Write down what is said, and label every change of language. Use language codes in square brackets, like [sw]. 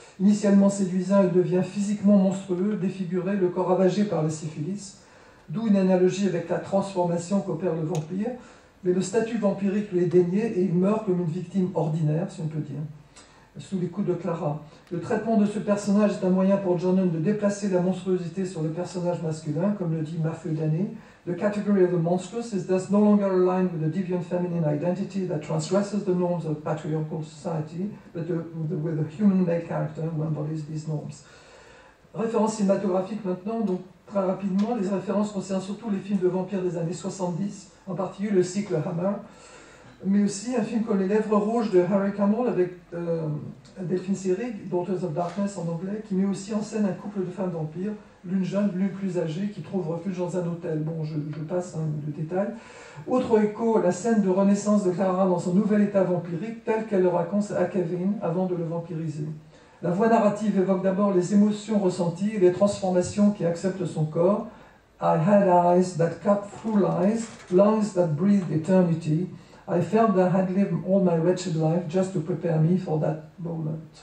[fr] Initialement séduisant, il devient physiquement monstrueux, défiguré, le corps ravagé par la syphilis, d'où une analogie avec la transformation qu'opère le vampire. Mais le statut vampirique lui est dénié et il meurt comme une victime ordinaire, si on peut dire. Sous les coups de Clara. Le traitement de ce personnage est un moyen pour Jordan de déplacer la monstruosité sur le personnage masculin, comme le dit Matthew Danny. [en] The category of the monstrous is thus no longer aligned with the deviant feminine identity that transgresses the norms of patriarchal society, but with the human male character who embodies these norms. [fr] Référence cinématographique maintenant, donc très rapidement, les références concernent surtout les films de vampires des années 70, en particulier le cycle Hammer. Mais aussi un film comme Les Lèvres Rouges de Harry Camel avec Delphine Seyrig, Daughters of Darkness en anglais, qui met aussi en scène un couple de femmes vampires, l'une jeune, l'une plus âgée, qui trouve refuge dans un hôtel. Bon, je passe hein, le détail. Autre écho, la scène de renaissance de Clara dans son nouvel état vampirique, tel qu'elle le raconte à Kevin avant de le vampiriser. La voix narrative évoque d'abord les émotions ressenties et les transformations qui acceptent son corps. [en] I had eyes that cut through lies, lungs that breathed eternity. I felt that I had lived all my wretched life just to prepare me for that moment.